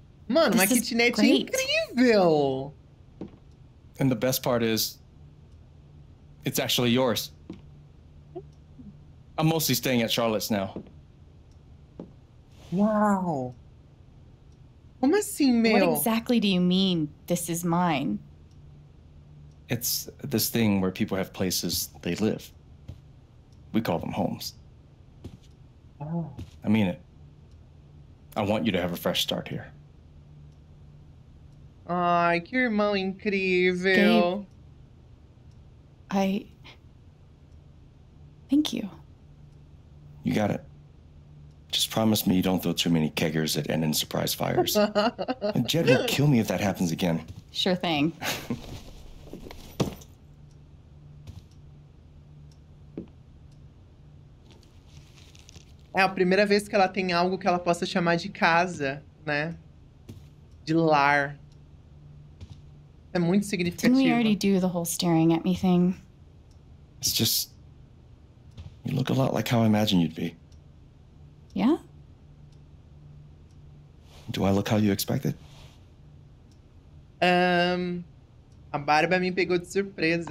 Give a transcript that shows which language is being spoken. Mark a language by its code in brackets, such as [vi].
[pt] Mano, uma kitnet incrível! [en] And the best part is, it's actually yours. I'm mostly staying at Charlotte's now. [pt] Wow. Como assim, meu? [en] What exactly do you mean, this is mine? It's this thing where people have places they live. We call them homes. Oh. I mean it. I want you to have a fresh start here. [pt] Ai, que irmão incrível. [en] Gabe, I... Thank you. You got it. Just promise me you don't throw too many keggers at Enden surprise fires. And Jed will kill me if that happens again. Sure thing. [pt] É a primeira vez que ela tem algo que ela possa chamar de casa, né? De lar. É muito significativo. [en] Didn't we already do the whole staring at me thing? It's just... You look a lot like how I imagined you'd be. Yeah? Do I look how you expected? [pt] A barba me pegou de surpresa.